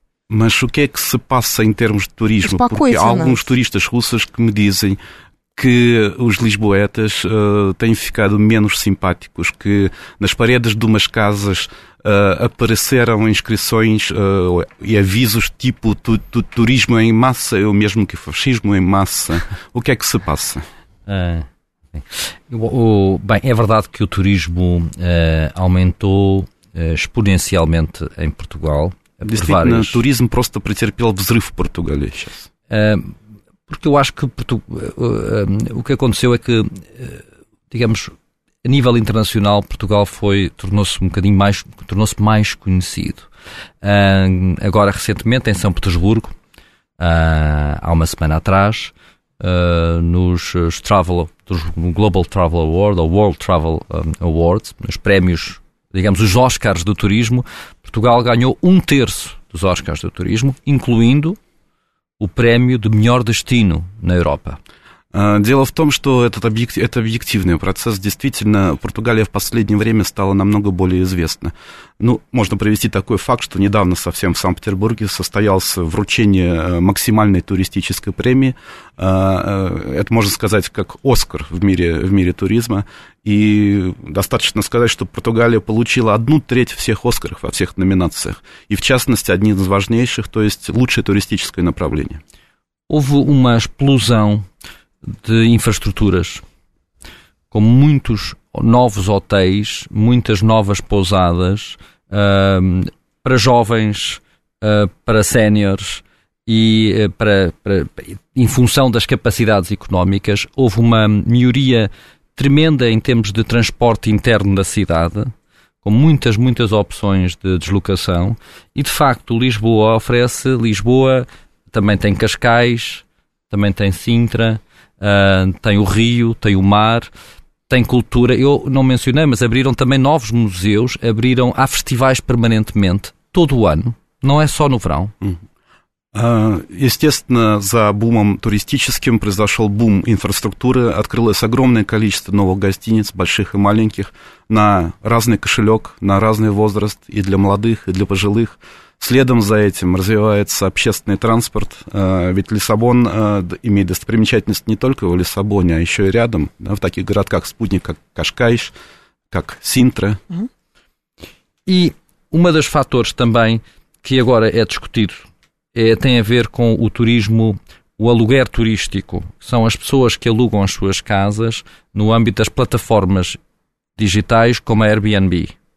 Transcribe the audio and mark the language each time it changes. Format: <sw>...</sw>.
<pt>Mas o que é que se passa em termos de turismo? Porque há alguns turistas russos que me dizem que os lisboetas têm ficado menos simpáticos, que nas paredes de umas casas apareceram inscrições e avisos tipo turismo em massa, ou mesmo que fascismo em massa. O que é que se passa? Bem, é verdade que o turismo aumentou exponencialmente em Portugal. O turismo</pt> <ru>просто претерпел взрыв в Португалии сейчас.</ru> <pt>Porque eu acho que o que aconteceu é que, digamos, a nível internacional, Portugal tornou-se mais conhecido. Agora, recentemente, em São Petersburgo, há uma semana atrás, nos Travel, dos Global Travel Award, ou World Travel Awards, nos prémios, digamos, os Oscars do turismo, Portugal ganhou um terço dos Oscars do turismo, incluindo o prémio de melhor destino na Europa.</pt> <ru>Дело в том, что это объективный процесс. Действительно, Португалия в последнее время стала намного более известна. Ну, можно привести такой факт, что недавно совсем в Санкт-Петербурге состоялось вручение максимальной туристической премии. Это, можно сказать, как Оскар в мире туризма. И достаточно сказать, что Португалия получила 1/3 всех Оскаров во всех номинациях. И, в частности, одни из важнейших, то есть лучшее туристическое направление.</ru> <pt>Houve uma explosão de infraestruturas, com muitos novos hotéis, muitas novas pousadas, para jovens, para séniores e para, em função das capacidades económicas, houve uma melhoria tremenda em termos de transporte interno da cidade, com muitas, muitas opções de deslocação, e de facto Lisboa oferece, Lisboa também tem Cascais, também tem Sintra, tem o Rio, tem o Mar, tem cultura, eu não mencionei, mas abriram também novos museus, abriram, há festivais permanentemente, todo o ano, não é só no verão.</pt> <ru>Естественно, за бумом туристическим произошел бум инфраструктуры, открылось огромное количество новых гостиниц, больших и маленьких, на разный кошелек, на разный возраст, и для молодых, и для пожилых. Следом за этим развивается общественный транспорт, ведь Лиссабон имеет достопримечательность не только в Лиссабоне, а еще и рядом, да, в таких городках спутник, как Кашкайш, как Синтра.</ru> <pt>И uma das fatores também, que agora é discutido, tem a ver com o turismo, o aluguer turístico. São as pessoas que alugam as suas casas no âmbito das plataformas digitais, como a Airbnb.</pt>